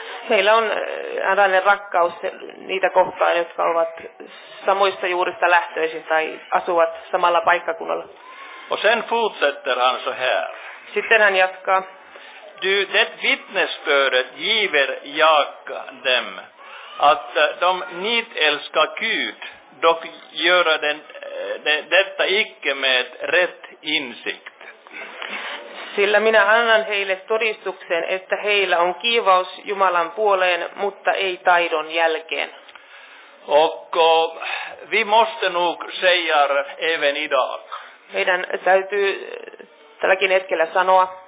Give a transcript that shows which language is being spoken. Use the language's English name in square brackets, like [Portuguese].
[Finnish] Heillä on äänäinen rakkaus niitä kohtaan, jotka ovat samoista juurista lähtöisin tai asuvat samalla paikkakunnalla. [Swedish] Och sen fortsätter han så här. [Finnish] Sitten hän jatkaa. [Swedish] du det vittnesbördet giver jag dem, att de nit älskar Gud, dock gör detta icke med rätt insikt. [Finnish] Sillä minä annan heille todistuksen, että heillä on kiivaus Jumalan puoleen, mutta ei taidon jälkeen. [Swedish] Och vi måste nog säga även idag. [Finnish] Meidän täytyy tälläkin hetkellä sanoa.